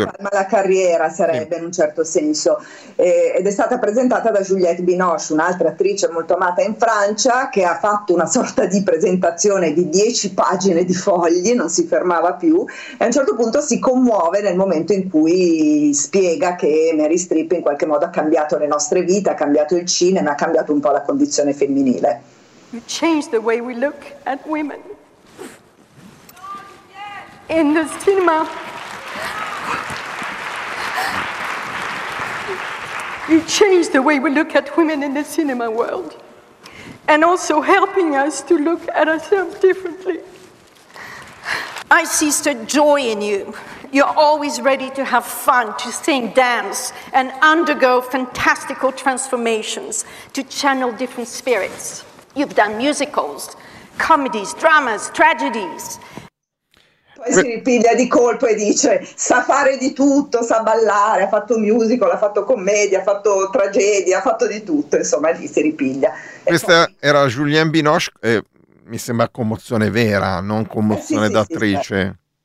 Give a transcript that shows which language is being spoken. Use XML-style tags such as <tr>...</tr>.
<it>Ma la carriera sarebbe in un certo senso, ed è stata presentata da Juliette Binoche, un'altra attrice molto amata in Francia, che ha fatto una sorta di presentazione di 10 pagine di fogli, non si fermava più, e a un certo punto si commuove nel momento in cui spiega che Mary Streep in qualche modo ha cambiato le nostre vite, ha cambiato il cinema, ha cambiato un po' la condizione femminile.</it> <en>You change the way we look at women. In the cinema. You change the way we look at women in the cinema world, and also helping us to look at ourselves differently. I see such joy in you. You're always ready to have fun, to sing, dance, and undergo fantastical transformations to channel different spirits. You've done musicals, comedies, dramas, tragedies.</en> <it>Poi si ripiglia di colpo e dice: sa fare di tutto, sa ballare, ha fatto musical, ha fatto commedia, ha fatto tragedia, ha fatto di tutto, insomma, lì si ripiglia. Questa poi... era Julien Binoche, mi sembra commozione vera, non commozione d'attrice.</it>